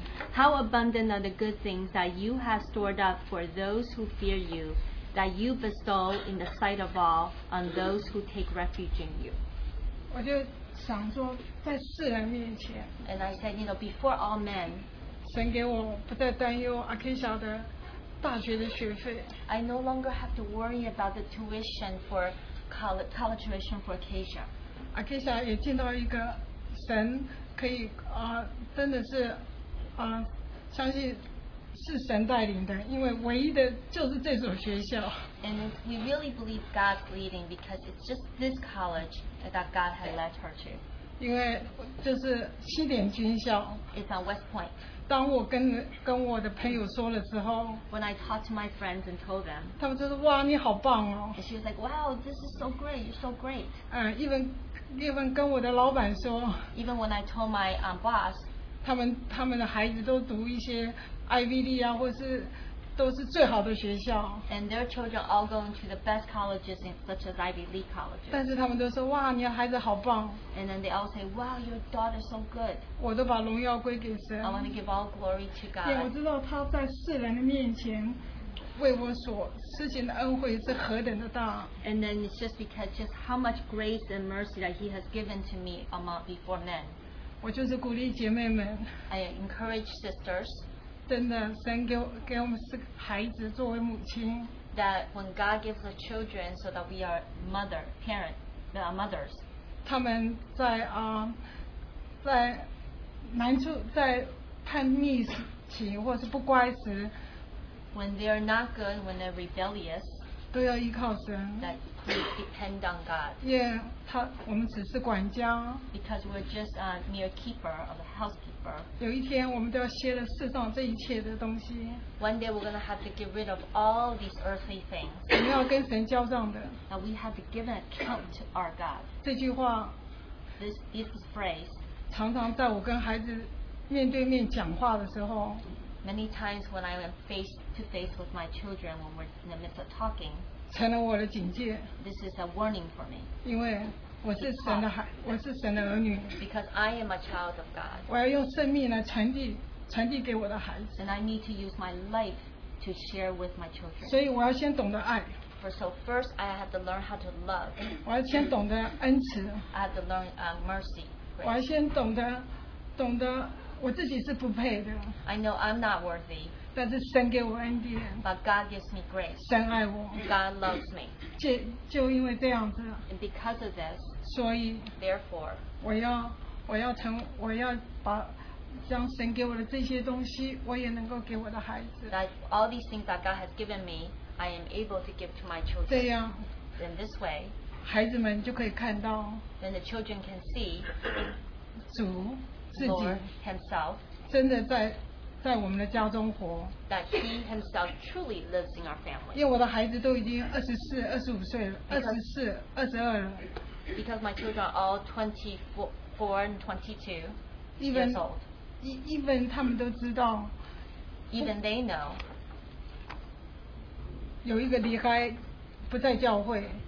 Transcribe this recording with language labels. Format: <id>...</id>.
<en>How abundant are the good things that you have stored up for those who fear you, that you bestow in the sight of all on those who take refuge in you? And I said, you know, before all men,</en> <zh>神给我不再担忧阿肯萨的大学的学费。</zh> <en>I no longer have to worry about the tuition for college tuition for Acacia.</en> <zh>Acacia 也见到一个神可以真的是相信是神带领的，因为唯一的就是这所学校。</zh> <en>And we really believe God's leading because it's just this college that God had led her to.</en> <zh>因为就是西点军校。</zh> <en>It's on West Point.</en> <zh>当我跟我的朋友说了之后</zh> <en>，When I talked to my friends and told them，</en> <zh>他们就说哇你好棒哦。</zh> <en>And she was like, wow, this is so great, you're so great.</en> <zh>Even 跟我的老板说</zh> <en>，Even when I told my boss，</en> <zh>他们的孩子都读一些。IVD 啊，或是都是最好的学校。</zh> <en>And their children all going to the best colleges in such as Ivy League colleges.</en> <zh>但是他们都说哇，你的孩子好棒。</zh> <en>And then they all say, wow, your daughter so good.</en> <zh>我都把荣耀归给神。</zh> <en>I want to give all glory to God.</en> <zh>我知道他在世人的面前为我所施行的恩惠是何等的大。</zh> <en>And then it's just because just how much grace and mercy that He has given to me among before men.</en> <zh>我就是鼓励姐妹们。</zh> <en>I encourage sisters.</en> <zh>真的，神给我们是孩子作为母亲。</zh> <en>That when God gives us children, so that we are mother, parent, we are mothers.</en> <zh>他们在难处，在叛逆期，或是不乖时</zh> <en>，When they are not good, when they're rebellious,</en> <zh>都要依靠神。</zh> <en>That we depend on God.</en> <zh>Yeah, 我们只是管家。</zh> <en>Because we're just a mere keeper of housekeeper.</en> <zh>有一天我们都要卸了世上这一切的东西。</zh> <en>One day we're gonna have to get rid of all these earthly things.</en> <zh>我们要跟神交账的。</zh> <en>That we have to give an account to our God.</en> <zh>这句话</zh> <en>this phrase</en> <zh>常常在我跟孩子面对面讲话的时候</zh> <en>Many times when I am face to face with my children when we're in the midst of talking</en> <zh>成了我的警戒。</zh> <en>This is a warning for me.</en> <zh>因为我是神的儿女。</zh> <en>Because I am a child of God.</en> <zh>我要用生命来传递给我的孩子。</zh> <en>And I need to use my life to share with my children.</en> <zh>所以我要先懂得爱。</zh> <en>So first I have to learn how to love.</en> <zh>我要先懂得恩慈。</zh> <en>I have to learn mercy.</en> <zh>我要先懂得我自己是不配的。</zh> <en>I know I'm not worthy.</en> <zh>但是神给我恩典。</zh> <en>But God gives me grace.</en> <zh>神爱我。</zh> <en>God loves me.</en> <zh>就因为这样子</zh> <en>And because of this,</en> <zh>所以</zh> <en>therefore,</en> <zh>我要将神给我的这些东西我也能够给我的孩子</zh> <en>that all these things that God has given me I am able to give to my children</en> <zh>这样</zh> <en>in this way</en> <zh>孩子们就可以看到</zh> <en>then the children can see</en> <zh>主自己</zh> <en>Lord himself</en> <zh>真的在我们的家中活</zh> <en>that he himself truly lives in our family</en> <zh>因为我的孩子都已经24、25岁了</zh> <en>because my children are all 24 and 22 even, years old</en> <zh>even 他们都知道</zh> <en>even they know</en> <zh>有一个离开不在教会</zh>